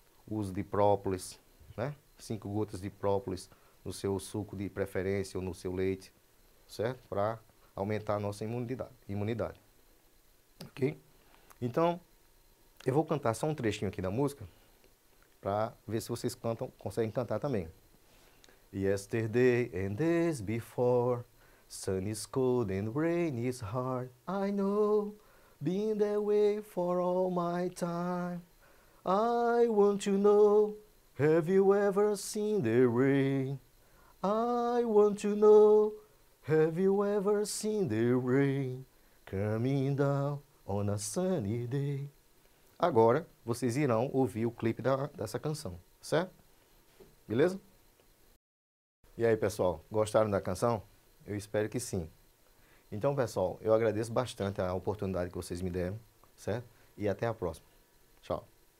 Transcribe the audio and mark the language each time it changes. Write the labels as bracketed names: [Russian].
[Portuguese] Uso de própolis, né? 5 gotas de própolis no seu suco de preferência ou no seu leite, certo? Para aumentar a nossa imunidade. Ok? Então, eu vou cantar só um trechinho aqui da música para ver se vocês cantam, conseguem cantar também. [English] Yesterday and days before, sun is cold and rain is hard. I know, been that way for all my time. I want to know, have you ever seen the rain? I want to know, have you ever seen the rain coming down on a sunny day? [Portuguese] Agora vocês irão ouvir o clipe dessa canção, certo? Beleza? E aí, pessoal, gostaram da canção? Eu espero que sim. Então, pessoal, eu agradeço bastante a oportunidade que vocês me deram, certo? E até a próxima. Tchau.